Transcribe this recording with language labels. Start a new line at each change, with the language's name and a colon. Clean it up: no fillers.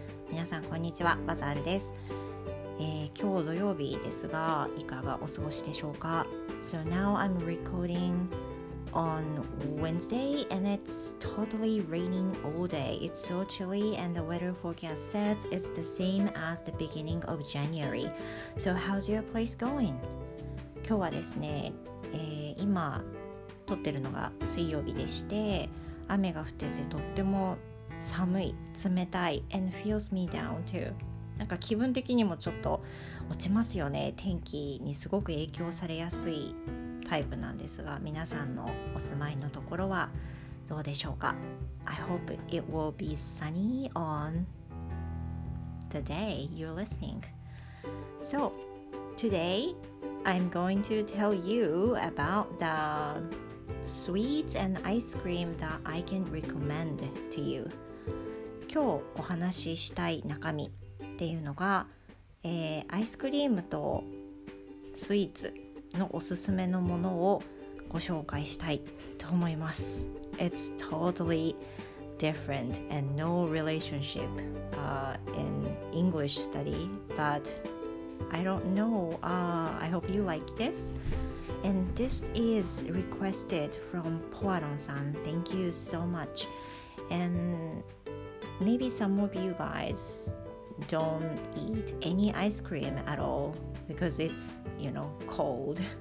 Japanese: 皆さんこんにちは、バザールです、今日土曜日ですが、いかがお過ごしでしょうか。
English: So now I'm recording on Wednesday and it's totally raining all day. It's so chilly and the weather forecast says it's the same as the beginning of January. So how's your place going?
Japanese: 今日はですね、今撮ってるのが水曜日でして、雨が降っててとっても寒い、冷たい、
English: and feels me down too。
Japanese: なんか気分的にもちょっと落ちますよね。天気にすごく影響されやすいタイプなんですが、皆さんのお住まいのところはどうでしょうか。
English: I hope it will be sunny on the day you're listening. So today I'm going to tell you about thesweets and ice cream that I can recommend to you.
Japanese: 今日お話ししたい中身っていうのが、アイスクリームとスイーツのおすすめのものをご紹介したいと思います。
English: It's totally different and no relationship, in English study, but I don't know. I hope you like this. And this is requested from Poiron-san. Thank you so much. And maybe some of you guys don't eat any ice cream at all because it's, you know, cold.